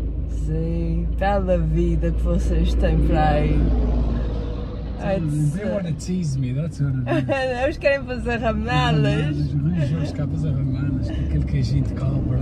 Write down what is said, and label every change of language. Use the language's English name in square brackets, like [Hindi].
[Portuguese] Sim, bela vida que vocês têm para aí. [English] They want to tease me, that's what I [Portuguese] mean. Eles querem fazer ramelas. Os rijos querem fazer ramelas, com aquele queijinho de cabra.